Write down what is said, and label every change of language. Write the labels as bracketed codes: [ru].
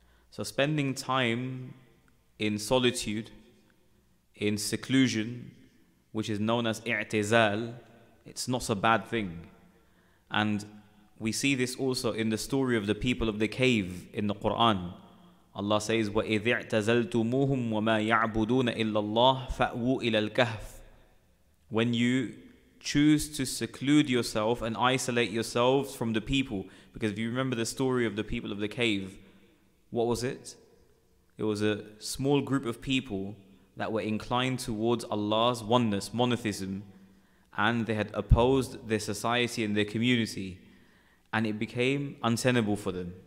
[en] So spending time in solitude, in seclusion, which is known as i'tizal, it's not a bad thing. And We see this also in the story of the people of the cave in the Quran. [ar] Allah says, وَإِذِ اعْتَزَلْتُمُوهُمْ وَمَا يَعْبُدُونَ إِلَّا اللَّهِ فَأْوُوا إِلَى الْكَهْفِ. [en] When you choose to seclude yourself and isolate yourselves from the people, because if you remember the story of the people of the cave, what was it? It was a small group of people that were inclined towards Allah's oneness, monotheism, and they had opposed their society and their community, and it became untenable for them.